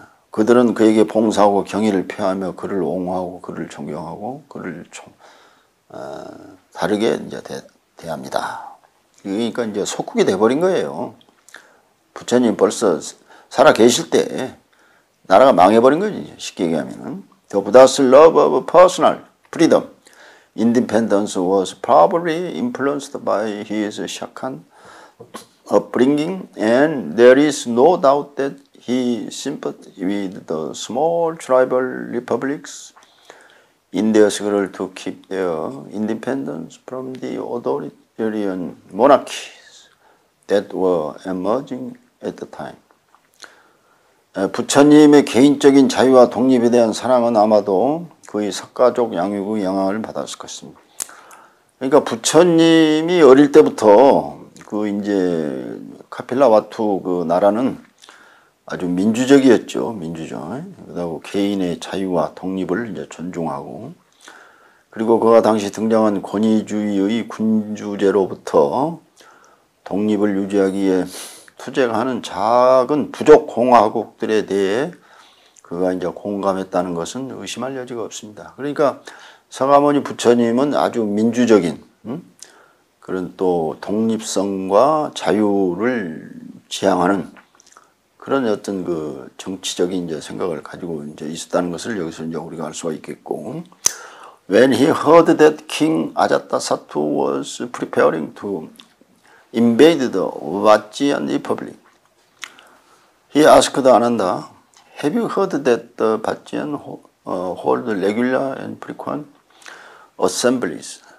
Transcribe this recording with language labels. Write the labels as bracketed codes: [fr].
[ko] 그들은 그에게 봉사하고 경의를 표하며 그를 옹호하고 그를 존경하고 그를 다르게 이제 대합니다. 그러니까 이제 속국이 되어버린 거예요. 부처님 벌써 살아 계실 때 나라가 망해버린 거지. 쉽게 얘기하면은. [en] The Buddha's love of personal freedom, independence was probably influenced by his Shakan upbringing, and there is no doubt that he sympathized with the small tribal republics in their struggle to keep their independence from the authoritarian monarchies that were emerging at the time. [ko] 부처님의 개인적인 자유와 독립에 대한 사랑은 아마도 그의 석가족 양육의 영향을 받았을 것입니다. 그러니까 부처님이 어릴 때부터 그 이제 카필라와투 그 나라는 아주 민주적이었죠. 민주적. 그리고 개인의 자유와 독립을 이제 존중하고, 그리고 그가 당시 등장한 권위주의의 군주제로부터 독립을 유지하기 위해 투쟁하는 작은 부족 공화국들에 대해 그가 이제 공감했다는 것은 의심할 여지가 없습니다. 그러니까 석가모니 부처님은 아주 민주적인, 그런 또 독립성과 자유를 지향하는 그런 어떤 그 정치적인 이제 생각을 가지고 이제 있었다는 것을 여기서 이제 우리가 알 수가 있겠고. [en] When he heard that King Ajatasattu was preparing to invade the Bhatiya Republic, he asked Ananda, "Have you heard that the Bhatians hold regular and frequent assemblies?